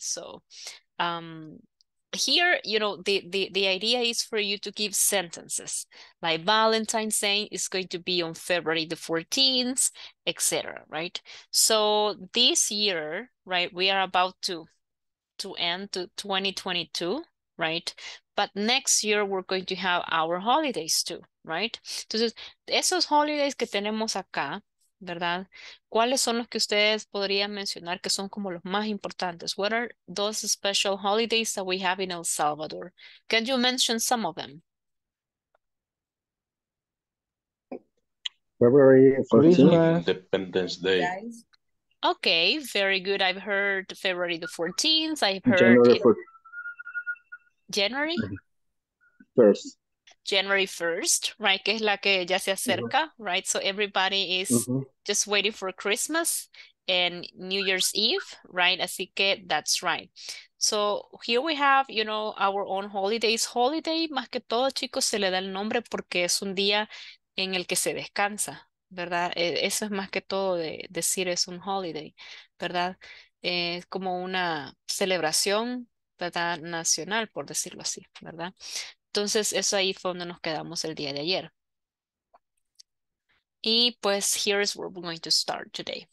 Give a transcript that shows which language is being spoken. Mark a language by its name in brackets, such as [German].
[English] So here, you know, the idea is for you to give sentences like Valentine's Day is going to be on February the 14th, etc., right? So this year, right, we are about to end to 2022, right? But next year we're going to have our holidays too. Right? [Spanish] Entonces, esos holidays que tenemos acá, ¿verdad? ¿Cuáles son los que ustedes podrían mencionar que son como los más importantes? [English] What are those special holidays that we have in El Salvador? Can you mention some of them? February 14th. Independence Day. Guys. Okay, very good. I've heard February the 14th. I've heard January it. 4th. January? First. January 1st, right, [Spanish] que es la que ya se acerca, [English] right? So everybody is just waiting for Christmas and New Year's Eve, right? [Spanish] Así que [English] that's right. So here we have, you know, our own holidays. [Spanish] Holiday, más que todo, chicos, se le da el nombre porque es un día en el que se descansa, ¿verdad? Eso es más que todo de decir es un holiday, ¿verdad? Es como una celebración, ¿verdad? Nacional, por decirlo así, ¿verdad? Entonces, eso ahí fue donde nos quedamos el día de ayer. Y pues, [English] here is where we're going to start today.